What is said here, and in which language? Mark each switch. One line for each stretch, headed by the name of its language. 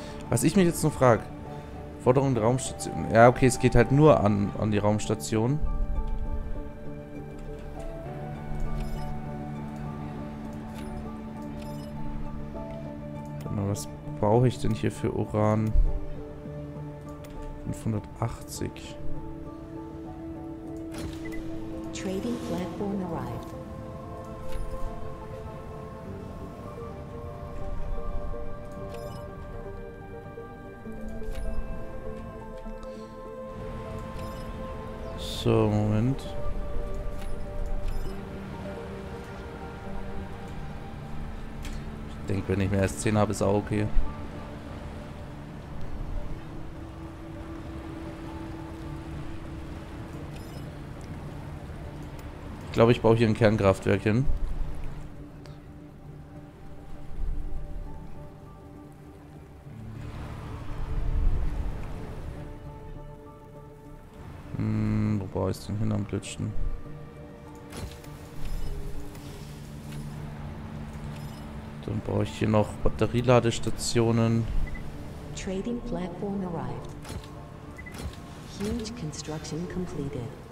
German: Was ich mich jetzt noch frage. Forderung der Raumstation. Ja, okay, es geht halt nur an die Raumstation. Brauche ich denn hier für Uran 580?
English: Trading platform arrived.
German: So, Moment. Ich denke, wenn ich mehr als 10 habe, ist auch okay. Ich glaube, ich baue hier ein Kernkraftwerk hin. Wo baue ich denn hin am blödsten? Dann baue ich hier noch Batterieladestationen.
English: Trading platform arrived. Huge construction completed.